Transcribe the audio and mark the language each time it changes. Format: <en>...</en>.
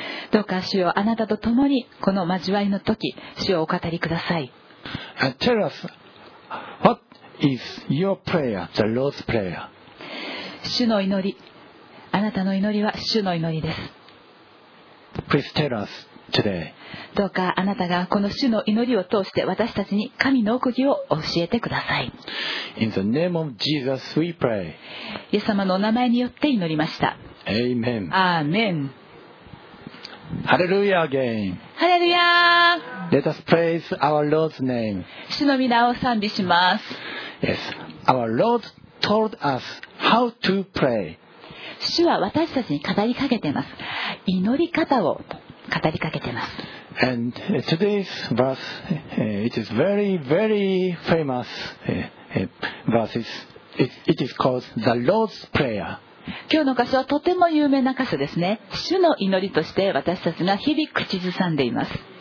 <ja>どうか主よ、あなたと共にこの交わりの時、主をお語りください。</ja> <en>And tell us what is your prayer, the Lord's prayer.</en> <ja>主の祈り。あなたの祈りは主の祈りです。</ja> <en>Please tell us today.</en> <ja>どうかあなたがこの主の祈りを通して私たちに神の奥義を教えてください。</ja> <en>In the name of Jesus we pray.</en> <ja>イエス様のお名前によって祈りました。</ja> <en>Amen. Amen. Hallelujah again. Hallelujah. Let us praise our Lord's name.</en> <ja>主の御名を賛美します。</ja> <en>Yes. Our Lord told us how to pray.</en> <ja>主は私たちに語りかけています。祈り方を語りかけています。</ja> <en>And today's verse, it is very, very famous verse. It is called the Lord's Prayer.</en> <ja>今日の箇所はとても有名な箇所ですね。主の祈りとして私たちが日々口ずさんでいます。</ja>